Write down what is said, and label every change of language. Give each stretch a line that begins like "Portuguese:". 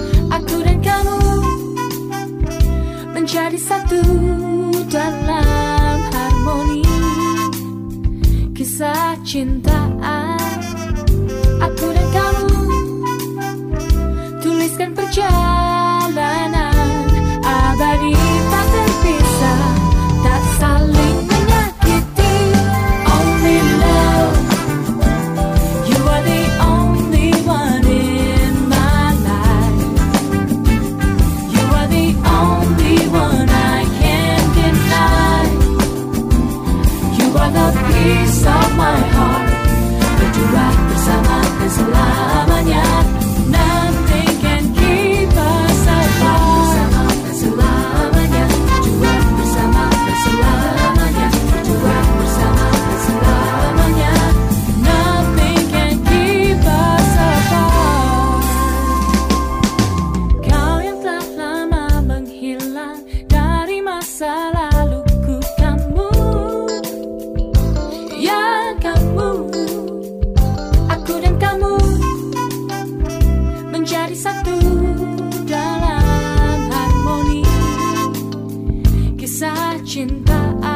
Indonesian: Aku dan kamu menjadi satu dalam harmoni kisah cinta. Aku dan kamu tuliskan perjalanan abadi tak terpisah, tak saling menyakiti.
English: Only love, you are the only one in my life. You are the only one I can't deny. You are the peace of my heart.
Indonesian: Berdua bersama selamanya,
English: nothing can keep us apart.
Indonesian: Bersama selamanya, berdua bersama selamanya, berdua bersama selamanya,
English: nothing can keep us apart.
Indonesian: Kau yang telah lama menghilang dari masa laluku, kamu, ya kamu. Jadi satu dalam harmoni kisah cinta.